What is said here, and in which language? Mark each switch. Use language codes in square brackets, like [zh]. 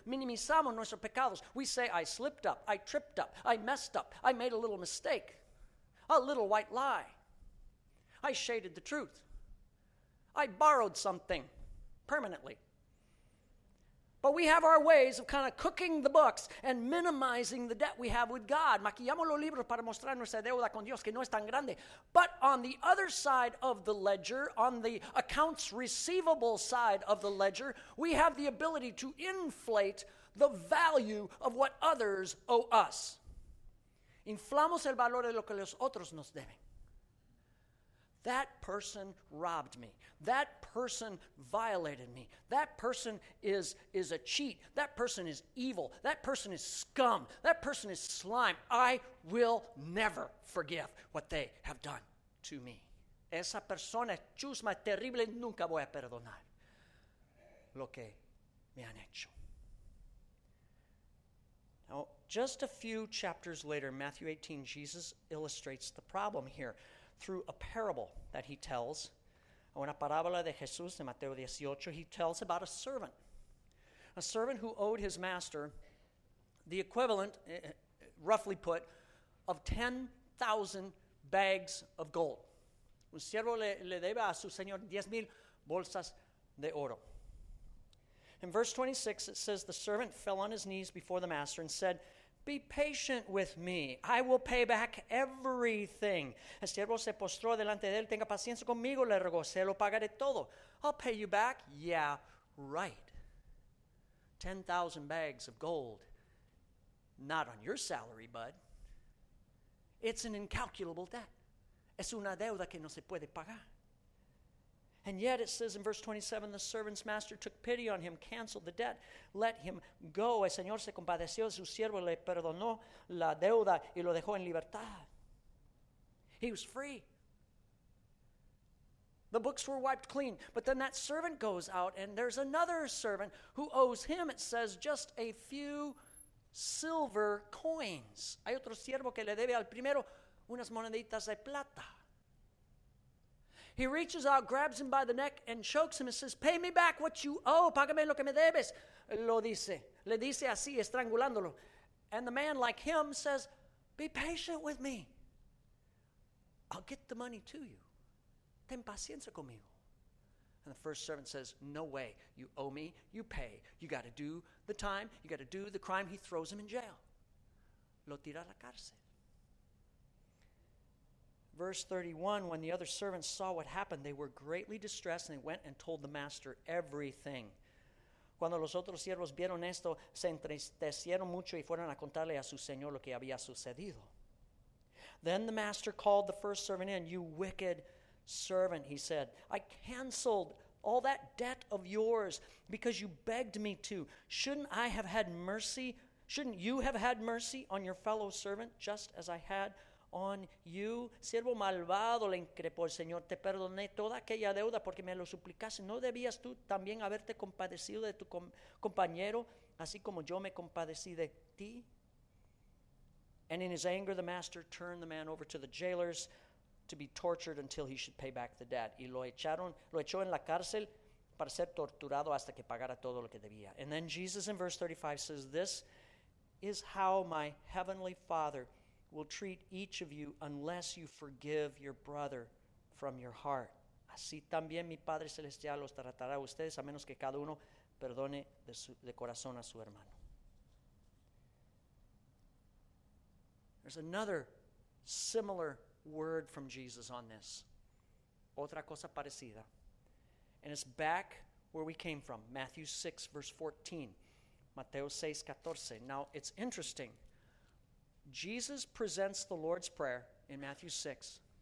[es] Minimizamos nuestros pecados. [en] We say, I slipped up, I tripped up, I messed up, I made a little mistake, a little white lie. I shaded the truth. I borrowed something permanently. But we have our ways of kind of cooking the books and minimizing the debt we have with God. [es] Maquillamos los libros para mostrar nuestra deuda con Dios, que no es tan grande. [en] But on the other side of the ledger, on the accounts receivable side of the ledger, we have the ability to inflate the value of what others owe us. [es] Inflamos el valor de lo que los otros nos deben. [en] That person robbed me. That person violated me. That person is a cheat. That person is evil. That person is scum. That person is slime. I will never forgive what they have done to me. [es] Esa persona es chusma, terrible, nunca voy a perdonar lo que me han hecho. [en] Now, just a few chapters later, Matthew 18, Jesus illustrates the problem here through a parable that he tells. [es] Una parábola de Jesús de Mateo 18, [en] he tells about a servant who owed his master the equivalent, roughly put, of 10,000 bags of gold. [es] Un siervo le debe a su señor 10,000 bolsas de oro. [en] In verse 26, it says, the servant fell on his knees before the master and said, be patient with me. I will pay back everything. [es] El siervo se postró delante de él. Tenga paciencia conmigo. Le rogó. Se lo pagaré todo. [en] I'll pay you back. Yeah, right. 10,000 bags of gold. Not on your salary, bud. It's an incalculable debt. [es] Es una deuda que no se puede pagar. [en] And yet, it says in verse 27, the servant's master took pity on him, canceled the debt, let him go. [es] El Señor se compadeció de su siervo, le perdonó la deuda y lo dejó en libertad. [en] He was free. The books were wiped clean. But then that servant goes out, and there's another servant who owes him, it says, just a few silver coins. [es] Hay otro siervo que le debe al primero unas moneditas de plata. [en] He reaches out, grabs him by the neck, and chokes him and says, pay me back what you owe. [es] Págame lo que me debes. Lo dice. Le dice así, estrangulándolo. [en] And the man, like him, says, be patient with me. I'll get the money to you. [es] Ten paciencia conmigo. [en] And the first servant says, no way. You owe me. You pay. You got to do the time. You got to do the crime. He throws him in jail. [es] Lo tira a la cárcel. [en] Verse 31, when the other servants saw what happened, they were greatly distressed, and they went and told the master everything. [es] Cuando los otros siervos vieron esto, se entristecieron mucho y fueron a contarle a su señor lo que había sucedido. [en] Then the master called the first servant in. You wicked servant, he said. I canceled all that debt of yours because you begged me to. Shouldn't you have had mercy on your fellow servant just as I had on you? [es] Siervo malvado, le increpó el Señor, te perdoné toda aquella deuda porque me lo suplicaste. ¿No debías tú también haberte compadecido de tu compañero, así como yo me compadecí de ti? [en] And in his anger, the master turned the man over to the jailers to be tortured until he should pay back the debt. [es] Y lo echó en la cárcel para ser torturado hasta que pagara todo lo que debía. [en] And then Jesus in verse 35 says, this is how my heavenly Father will treat each of you unless you forgive your brother from your heart. [es] Así también mi Padre Celestial los tratará a ustedes a menos que cada uno perdone de corazón a su hermano. [en] There's another similar word from Jesus on this. [es] Otra cosa parecida. [en] And it's back where we came from. Matthew 6, verse 14. Mateo 6, 14. Now, it's interesting. Jesus presents the Lord's Prayer in Matthew 6.